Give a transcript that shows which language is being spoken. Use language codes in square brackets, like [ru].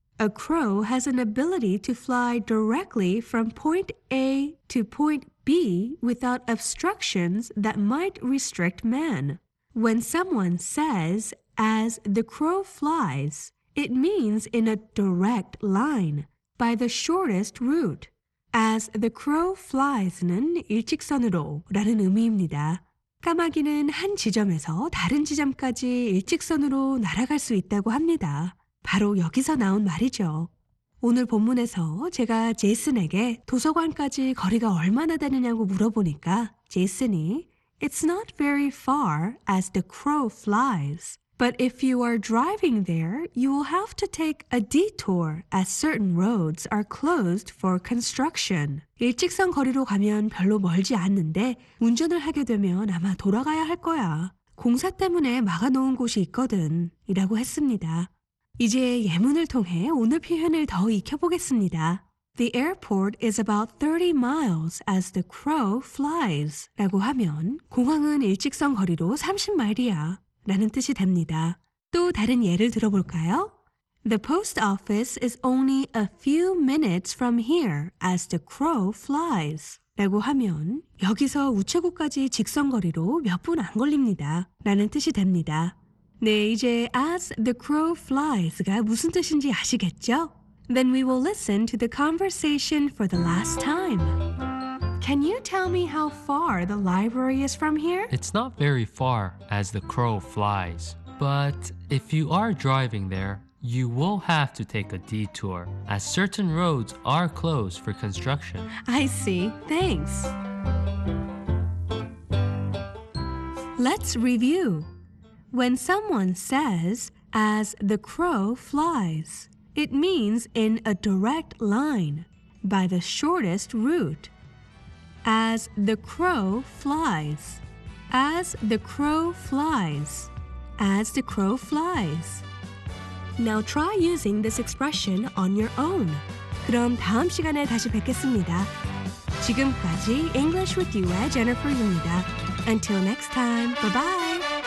[en] A crow has an ability to fly directly from point A to point B without obstructions that might restrict man. When someone says, As the crow flies, it means in a direct line, by the shortest route. As the crow flies는 [ko] 일직선으로라는 의미입니다. 까마귀는 한 지점에서 다른 지점까지 일직선으로 날아갈 수 있다고 합니다. 바로 여기서 나온 말이죠. 오늘 본문에서 제가 제슨에게 도서관까지 거리가 얼마나 되느냐고 물어보니까 제슨이 [en] It's not very far as the crow flies. But if you are driving there, you will have to take a detour as certain roads are closed for construction. [ko] 일직선 거리로 가면 별로 멀지 않는데 운전을 하게 되면 아마 돌아가야 할 거야. 공사 때문에 막아놓은 곳이 있거든. 이라고 했습니다. 이제 예문을 통해 오늘 표현을 더 익혀보겠습니다. [en] The airport is about 30 miles as the crow flies. [ko] 라고 하면 공항은 일직선 거리로 30마일이야. 라는 뜻이 됩니다. 또 다른 예를 들어볼까요? [en] The post office is only a few minutes from here as the crow flies. [ko] 라고 하면 여기서 우체국까지 직선 거리로 몇 분 안 걸립니다. 라는 뜻이 됩니다. 네, 이제 [en] as the crow flies가 [ko] 무슨 뜻인지 아시겠죠? [en] Then we will listen to the conversation for the last time. Can you tell me how far the library is from here? It's not very far as the crow flies. But if you are driving there, you will have to take a detour as certain roads are closed for construction. I see. Thanks. Let's review. When someone says, as the crow flies, it means in a direct line, by the shortest route. As the crow flies. As the crow flies. As the crow flies. Now try using this expression on your own. [ko] 그럼 다음 시간에 다시 뵙겠습니다. 지금까지 [en] English with you의 Jennifer입니다. Until next time, bye-bye.